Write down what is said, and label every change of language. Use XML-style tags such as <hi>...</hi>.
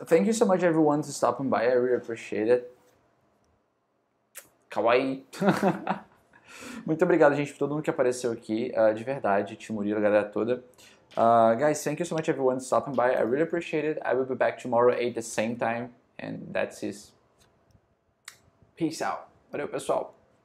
<en>Thank you so much, everyone, for stopping by. I really appreciate it.</en> <ja>Kawaii.</ja> <pt>Muito obrigado, gente, por todo mundo que apareceu aqui. De verdade, Timurilo, a galera toda.</pt> <en>Guys, thank you so much, everyone, for stopping by. I really appreciate it. I will be back tomorrow at the same time. And that's it. Peace out.</en> <pt>Valeu, pessoal.</pt>